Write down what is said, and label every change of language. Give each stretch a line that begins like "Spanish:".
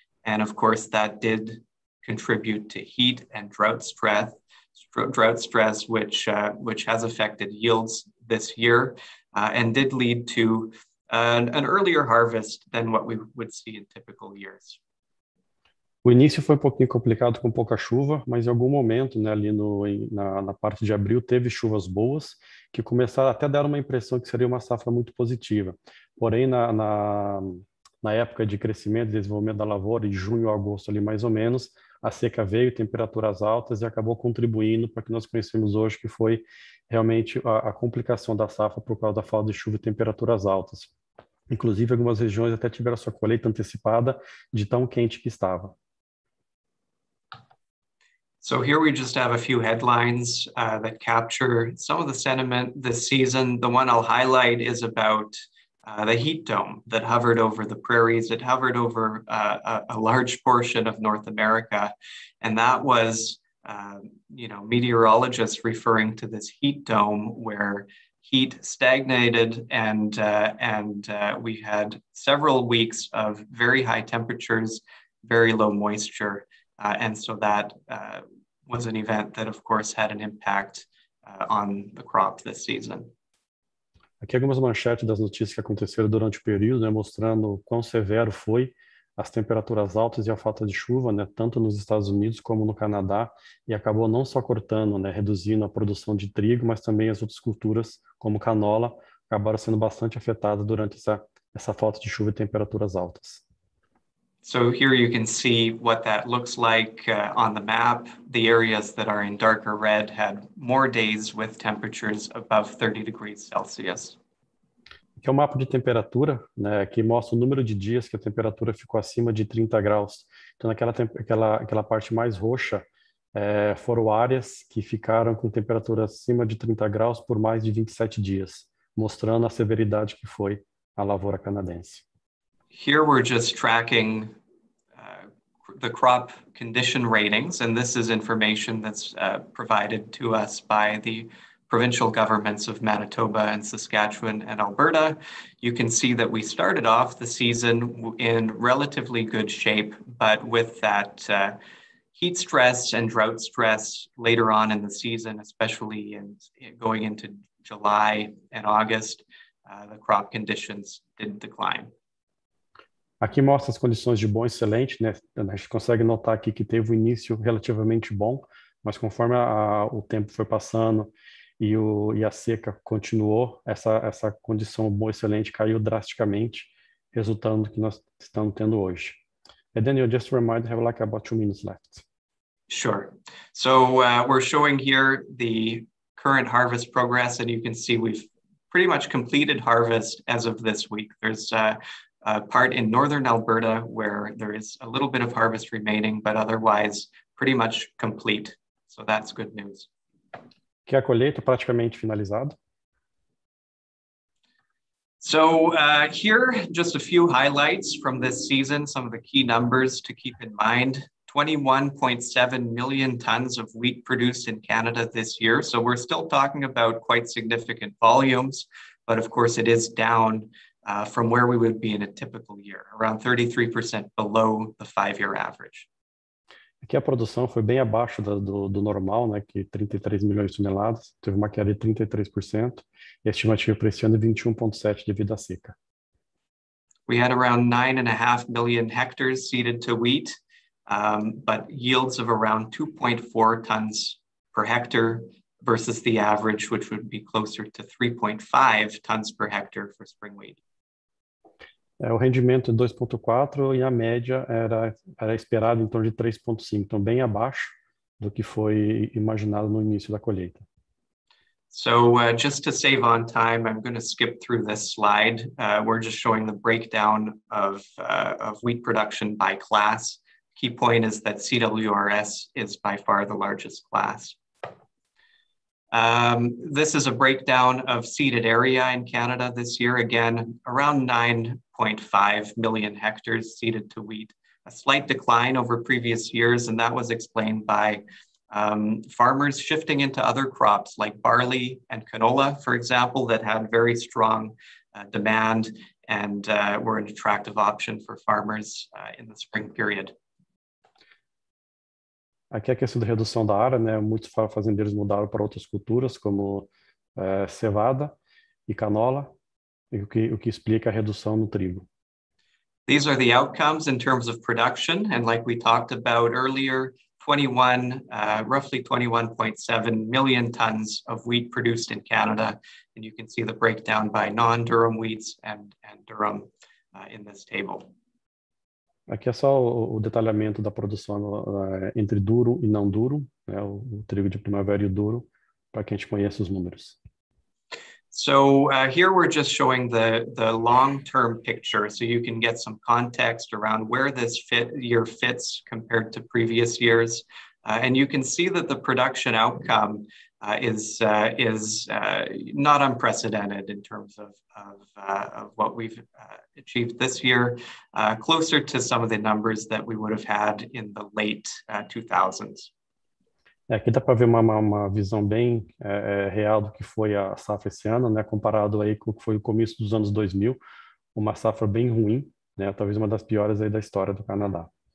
English: And of course, that did contribute to heat and drought stress, which has affected yields this year, and did lead to an earlier harvest than what we would see in typical years.
Portuguese: O início foi um pouquinho complicado com pouca chuva, mas em algum momento, né, ali no, na parte de abril, teve chuvas boas, que começaram até a dar uma impressão que seria uma safra muito positiva. Porém, na época de crescimento e desenvolvimento da lavoura, de junho a agosto ali mais ou menos, a seca veio, temperaturas altas, e acabou contribuindo para que nós conhecemos hoje, que foi realmente a complicação da safra por causa da falta de chuva e temperaturas altas. Inclusive, algumas regiões até tiveram sua colheita antecipada de tão quente que estava.
English: So here we just have a few headlines that capture some of the sentiment this season. The one I'll highlight is about the heat dome that hovered over the prairies. It hovered over a large portion of North America. And that was, meteorologists referring to this heat dome where heat stagnated and we had several weeks of very high temperatures, very low moisture. And so that was an event that, of course, had an impact on the crop this season.
Portuguese: Aqui algumas manchetes das notícias que aconteceram durante o período, né, mostrando quão severo foi as temperaturas altas e a falta de chuva, né, tanto nos Estados Unidos como no Canadá, e acabou não só cortando, né, reduzindo a produção de trigo, mas também as outras culturas, como canola, acabaram sendo bastante afetadas durante essa falta de chuva e temperaturas altas.
English: So here you can see what that looks like on the map. The areas that are in darker red had more days with temperatures above 30 degrees Celsius.
Portuguese: Aqui é o mapa de temperatura, né, que mostra o número de dias que a temperatura ficou acima de 30 graus. Então, aquela parte mais roxa, foram áreas que ficaram com temperatura acima de 30 graus por mais de 27 dias, mostrando a severidade que foi a lavoura canadense.
English: Here we're just tracking the crop condition ratings, and this is information that's provided to us by the provincial governments of Manitoba and Saskatchewan and Alberta. You can see that we started off the season in relatively good shape, but with that heat stress and drought stress later on in the season, especially in going into July and August, the crop conditions did decline.
Portuguese: Aqui mostra as condições de bom excelente, né? A gente consegue notar aqui que teve um início relativamente bom, mas conforme o tempo foi passando e a seca continuou, essa condição bom excelente caiu drasticamente, resultando no que nós estamos tendo hoje.
English: And then you'll just remind, have like about 2 minutes left. Sure. So we're showing here the current harvest progress, and you can see we've pretty much completed harvest as of this week. There's a part in northern Alberta where there is a little bit of harvest remaining, but otherwise pretty much complete. So that's good news.
Portuguese: Que a colheita praticamente finalizada.
English: So here, just a few highlights from this season, some of the key numbers to keep in mind. 21.7 million tons of wheat produced in Canada this year. So we're still talking about quite significant volumes, but of course it is down from where we would be in a typical year, around 33% below the five-year average.
Portuguese: Aqui a produção foi bem abaixo do normal, né, que 33 milhões de toneladas, teve uma queda de 33%, e a estimativa para esse ano é 21.7 devido à seca.
English: We had around 9.5 million hectares seeded to wheat, but yields of around 2.4 tons per hectare versus the average, which would be closer to 3.5 tons per hectare for spring wheat.
Portuguese: O rendimento é 2.4 e a média era esperada em torno de 3.5, então bem abaixo do que foi imaginado no início da colheita.
English: So, just to save on time, I'm going to skip through this slide. We're just showing the breakdown of wheat production by class. Key point is that CWRS is by far the largest class. This is a breakdown of seeded area in Canada this year. Again, around 9.5 million hectares seeded to wheat. A slight decline over previous years, and that was explained by farmers shifting into other crops like barley and canola, for example, that had very strong demand and were an attractive option for farmers in the spring period.
Portuguese: Aqui é a questão da redução da área, né? Muitos fazendeiros mudaram para outras culturas, como cevada e canola, e o que explica a redução no trigo.
English: These are the outcomes in terms of production, and like we talked about earlier, roughly 21.7 million tons of wheat produced in Canada, and you can see the breakdown by non-durum wheats and durum in this table.
Portuguese: Aqui é só o detalhamento da produção entre duro e não duro, né, o trigo de primavera e o duro, para que a gente conheça os números.
English: So here we're just showing the long-term picture, so you can get some context around where this year fits compared to previous years. And you can see that the production outcome is not unprecedented in terms of what we've achieved this year, closer to some of the numbers that we would have had in the late 2000s.
Portuguese: É, aqui dá para ver uma visão bem real do que foi a safra esse ano, né, comparado aí com o que foi o começo dos anos 2000, uma safra bem ruim, né, talvez uma das piores aí da história do Canadá.